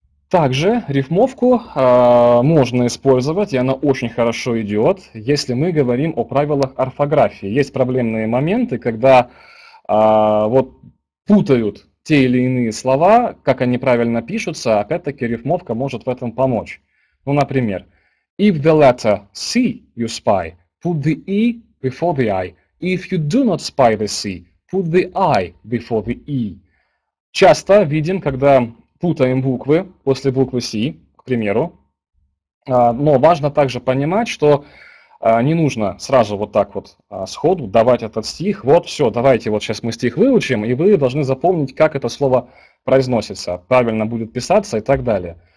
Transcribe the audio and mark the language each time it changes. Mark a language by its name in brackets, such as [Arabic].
[Russian] Также рифмовку можно использовать, и она очень хорошо идет, если мы говорим о правилах орфографии. Есть проблемные моменты, когда вот путают те или иные слова, как они правильно пишутся, опять-таки рифмовка может в этом помочь. Ну, например, [English] if the letter C you spy, put the E before the I. If you do not spy the C, put the I before the E. [Russian] Часто видим, когда путаем буквы после буквы C, к примеру. Но важно также понимать, что не нужно сразу вот так вот сходу давать этот стих. Вот, все, давайте вот сейчас мы стих выучим, и вы должны запомнить, как это слово произносится, правильно будет писаться и так далее.